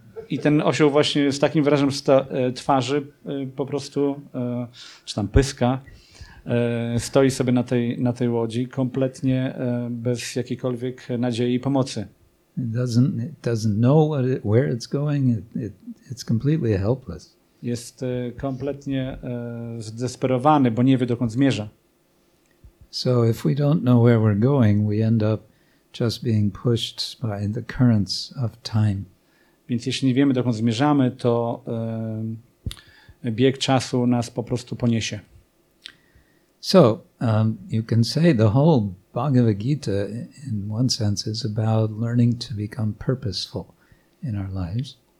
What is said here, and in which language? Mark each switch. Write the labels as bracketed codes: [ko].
[pl] I ten osioł właśnie z takim wyrażem twarzy po prostu, czy tam pyska, stoi sobie na tej łodzi kompletnie bez jakiejkolwiek nadziei i pomocy. [en] It doesn't know where it's going. It's completely helpless. [pl] Jest kompletnie zdesperowany, bo nie wie, dokąd zmierza. [en] So if we don't know where we're going, we end up just being pushed by the currents of time. [pl] Więc jeśli nie wiemy, dokąd zmierzamy, to bieg czasu nas po prostu poniesie. [en] So, you can say the whole Bhagavad Gita in one sense is about learning to become purposeful in our lives.